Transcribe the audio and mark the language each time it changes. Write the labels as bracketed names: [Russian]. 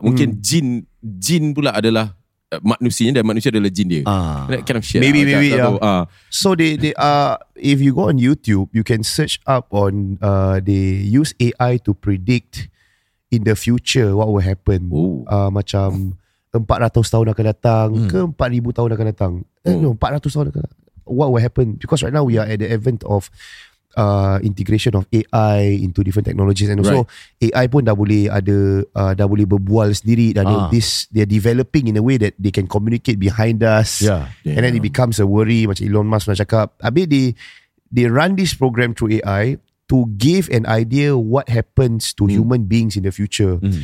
[Malay] Mungkin jin pula adalah manusianya, dan manusia adalah jin dia. [English] That kind of shit. Maybe. So they are, if you go on YouTube, you can search up on they use AI to predict in the future what will happen. [Malay] Macam 400 tahun akan datang ke 4000 tahun akan datang. No, 400 tahun akan datang. [English] What will happen? Because right now we are at the event of integration of AI into different technologies, and also AI [Malay] pun dah boleh ada dah boleh berbual sendiri, dan [English] they're developing in a way that they can communicate behind us. And then it becomes a worry, [Malay] macam Elon Musk nak cakap. Habis [English] they run this program through AI to give an idea what happens to human beings in the future.